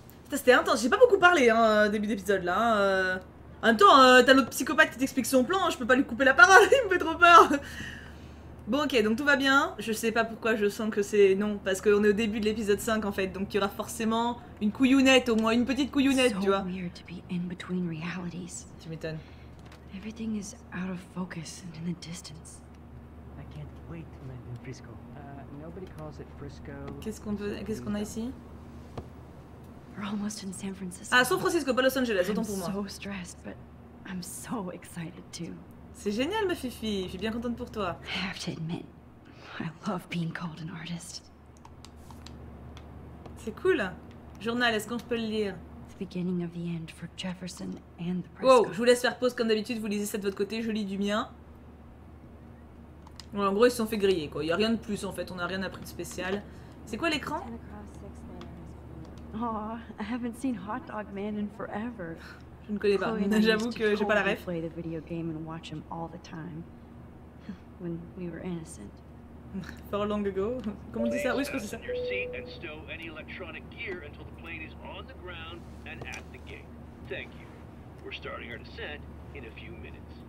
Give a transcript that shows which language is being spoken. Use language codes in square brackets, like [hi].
[fr] C'était intense, j'ai pas beaucoup parlé hein, début d'épisode là. En même temps, t'as l'autre psychopathe qui t'explique son plan, je peux pas lui couper la parole, il me fait trop peur. Bon ok, donc tout va bien, je sais pas pourquoi je sens que c'est... Non, parce qu'on est au début de l'épisode 5 en fait, donc il y aura forcément une couillounette au moins, une petite couillounette, tu vois. Tu m'étonnes. [en] Everything is out of focus and in the distance. I can't wait to land in Frisco. Nobody calls it Frisco. [fr] Qu'est-ce qu'on a ici? [en] We're almost in San Francisco. [fr] Ah, San Francisco, pas Los Angeles, autant pour moi. [en] I'm so stressed, but I'm so excited too. [fr] C'est génial, ma Fifi. Je suis bien contente pour toi. [en] I have to admit, I love being called an artist. [fr] C'est cool. Journal, est-ce qu'on peut le lire? [en] Beginning of the end for Jefferson and the Prescott. [fr] Wow, je vous laisse faire pause comme d'habitude, vous lisez ça de votre côté, je lis du mien. Bon, en gros, ils se sont fait griller, quoi. Il n'y a rien de plus, en fait, on n'a rien appris de spécial. C'est quoi l'écran? [en] Oh, I haven't seen Hot Dog Man in forever. [fr] Je ne connais pas, j'avoue que j'ai pas la ref. [en] Play the video game and watch him all the time. When we were innocent. For long ago. [fr] Comment on dit ça? Oui, je crois que c'est ça. [en] Your seat and stow any electronic gear until the plane is on the ground and at the gate. Thank you. We're starting our descent in a few minutes.